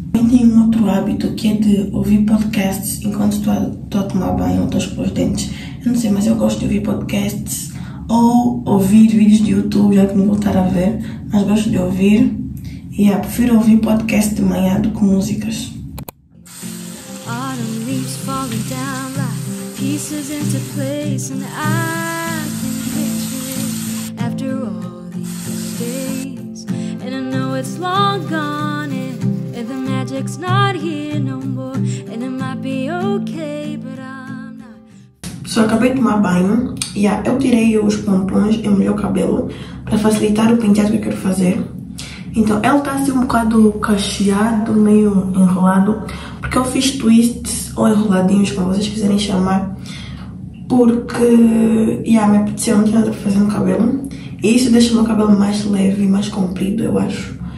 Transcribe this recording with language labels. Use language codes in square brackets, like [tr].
[pt] Eu tenho um outro hábito que é de ouvir podcasts enquanto estou a tomar banho ou estou a escovar os dentes. Eu não sei, mas eu gosto de ouvir podcasts ou ouvir vídeos de YouTube, já que não vou estar a ver, mas gosto de ouvir. E yeah, prefiro ouvir podcast de manhã do que músicas. [en] Autumn leaves falling down like pieces into place, and I can picture it after all these days. And I know it's long gone, and the magic's not here no more, and it might be okay, but I'm not. [pt] Só acabei de tomar banho. Yeah, eu tirei os pompons e molhei o cabelo para facilitar o penteado que eu quero fazer. Então, ele está assim um bocado cacheado, meio enrolado, porque eu fiz twists ou enroladinhos, como vocês quiserem chamar, porque me apeteceu, não tinha nada para fazer no cabelo, e isso deixa o meu cabelo mais leve, mais comprido, eu acho.